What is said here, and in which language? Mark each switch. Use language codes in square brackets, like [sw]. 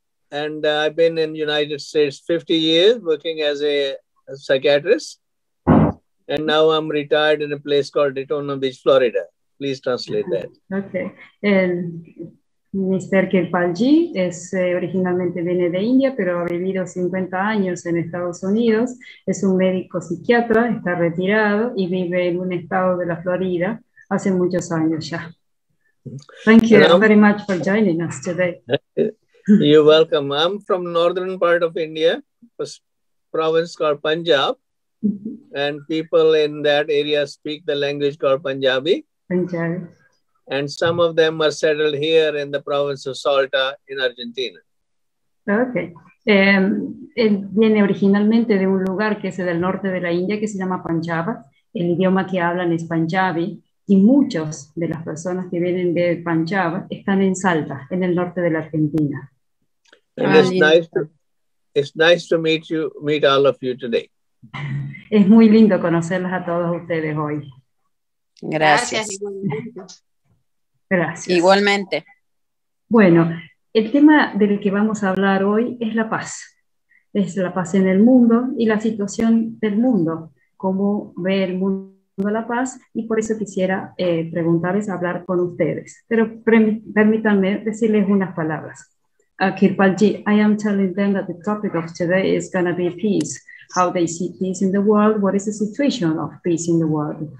[en] And I've been in the United States 50 years working as a psychiatrist. And now I'm retired in a place called Daytona Beach, Florida. Please translate that. Okay. Mr. [es] Kirpal G es originalmente viene de India, pero ha vivido 50 años en Estados Unidos. Es un médico psiquiatra, está retirado y vive en un estado de la Florida hace muchos años ya. [en] Thank you very much for joining us today. You're welcome. I'm from northern part of India, a province called Punjab, and people in that area speak the language called Punjabi. Punjabi. And some of them are settled here in the province of Salta in Argentina. Okay. [es] Él viene originalmente de un lugar que es del norte de la India que se llama Punjab. El idioma que hablan es Punjabi, y muchos de las personas que vienen de Punjab están en Salta, en el norte de la Argentina. [en] And it's nice to meet all of you today. [es] Es muy lindo conocerlos a todos ustedes hoy. Gracias. Gracias. Igualmente. Bueno, el tema del que vamos a hablar hoy es la paz. Es la paz en el mundo y la situación del mundo. Cómo ve el mundo la paz, y por eso quisiera preguntarles, hablar con ustedes. Pero permítanme decirles unas palabras. [en] Kirpalji, I am telling them that the topic of today is going to be peace, how they see peace in the world, what is the situation of peace in the world.